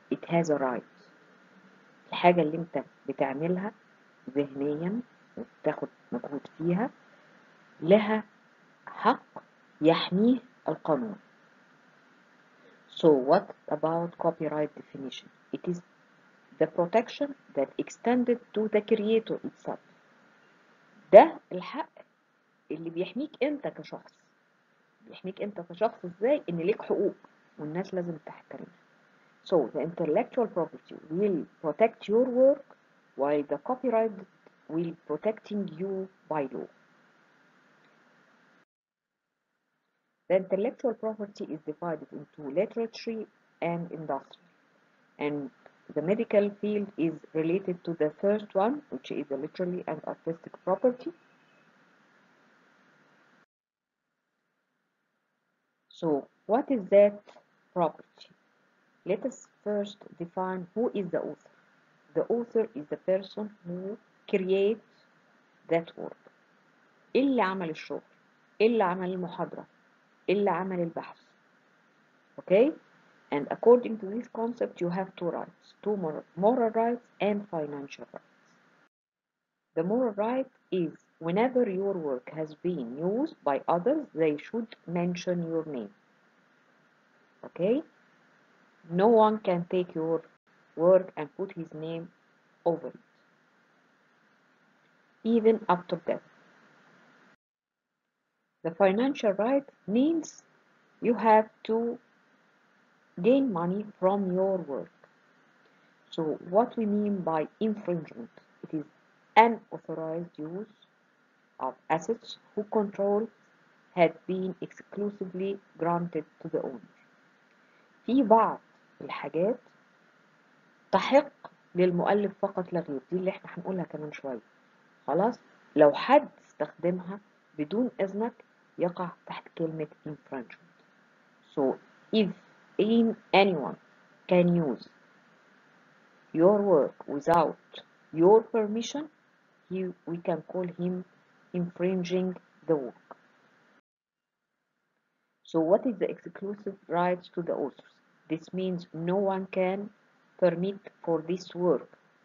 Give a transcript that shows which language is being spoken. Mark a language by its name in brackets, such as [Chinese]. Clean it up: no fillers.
[English] It has a right. [Arabic] الحاجة اللي انت بتعملها ذهنيا وتاخد مجهود فيها لها حق يحميه القانون. [English] So what about copyright definition? It is the protection that extended to the creator itself. [Arabic] ده الحق اللي بيحميك انت كشخص. بيحميك انت كشخص ازاي؟ ان ليك حقوق والناس لازم تحترمها. [English] So the intellectual property will protect your work while the copyright will protecting you by law. The intellectual property is divided into literary and industrial. And the medical field is related to the first one, which is the literary and artistic property. So, what is that property? Let us first define who is the author. The author is the person who creates that work. [Arabic] اللي عمل الشغل، اللي عمل المحاضرة، اللي عمل البحث. [English] Okay? And according to this concept, you have two rights. Two moral rights and financial rights. The moral right is whenever your work has been used by others, they should mention your name. Okay? No one can take your work and put his name over it. Even after death. The financial right means you have to gain money from your work. So what we mean by infringement? It is unauthorized use of assets whose control had been exclusively granted to the owner. [Arabic] في بعض الحاجات تحق للمؤلف فقط لا غير، دي اللي احنا هنقولها كمان شوية. خلاص؟ لو حد استخدمها بدون إذنك يقع تحت كلمة infringement. [English] So if anyone can use your work without your permission, we can call him infringing the work. So what is the exclusive rights to the authors? This means no one can permit for this work.